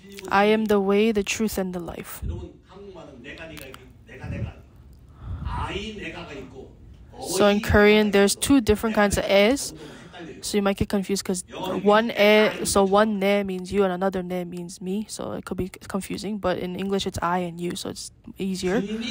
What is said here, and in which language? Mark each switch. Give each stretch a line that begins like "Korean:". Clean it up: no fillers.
English: I am the way, the truth, and the life.
Korean: 여러분, 한국말은 내가 네가 내가 내가 I 내가가 있고.
English: So in Korean, there's two different kinds of es. So you might get confused because one e, so one ne means you and another ne means me. So it could be confusing. But in English, it's I and you, so it's easier.